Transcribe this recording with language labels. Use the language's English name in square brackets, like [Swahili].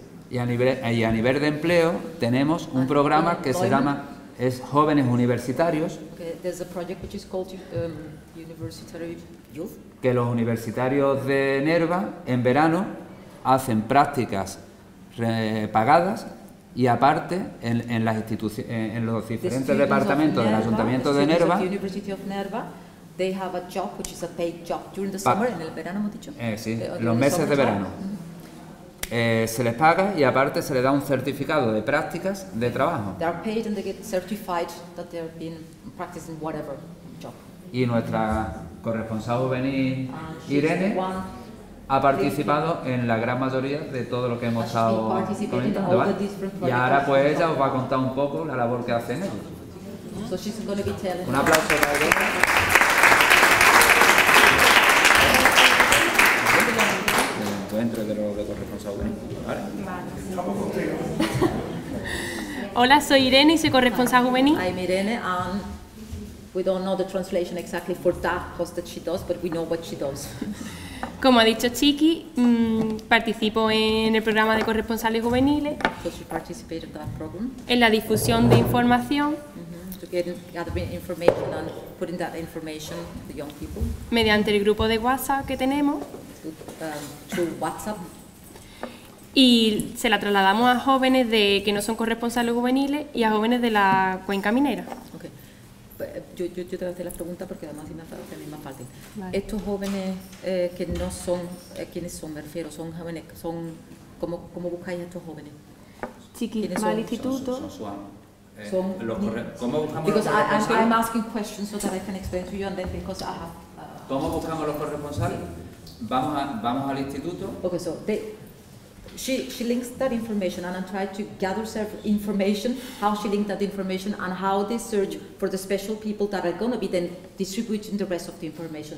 [Spanish] Y a nivel de empleo tenemos un programa que se llama es Jóvenes Universitarios. [English] Okay, there's a project which is called University Youth. [Spanish] Que los universitarios de Nerva en verano hacen prácticas pagadas y aparte en los diferentes departamentos Nerva, del Ayuntamiento de Nerva. [English] The University of Nerva, they have a job which is a paid job during the summer, [Spanish] en el verano hemos dicho. Sí, los meses de verano. Se les paga y aparte se les da un certificado de prácticas de trabajo. [English] They are paid and they get certified that they have been practicing whatever job. [Spanish] Y nuestra corresponsal juvenil Irene ha participado en la gran mayoría de todo lo que hemos estado comentando, ¿vale? Y ahora pues ella os va a contar un poco la labor que hace en ellos. [English] So she's going to be telling. [Spanish] Un aplauso para ella. Hola, soy Irene y soy corresponsal juvenil. [English] I'm Irene and we don't know the translation exactly for that post that she does, but we know what she does. [Spanish] Como ha dicho Chiqui, participo en el programa de corresponsales juveniles. [English] So she participated in that program. [Spanish] En la difusión de información. [English] To get information and putting that information to the young people. [Spanish] Mediante el grupo de WhatsApp que tenemos. [English] Through WhatsApp. [Spanish] Y se la trasladamos a jóvenes de que no son corresponsales juveniles y a jóvenes de la cuenca minera. [English] Okay. [Spanish] Yo te voy a hacer la pregunta porque además me es más fácil. Vale. Estos jóvenes que no son, ¿quiénes son? Me refiero, son jóvenes, son ¿cómo buscáis a estos jóvenes? Chiquitos, al instituto. [English] I'm asking questions so that I can explain to you and then because I have. [Spanish] ¿Cómo buscamos los corresponsales? Sí. Vamos al instituto. [English] Okay, so she links that information and I try to gather some information how she linked that information and how they search for the special people that are going to be then distributing the rest of the information.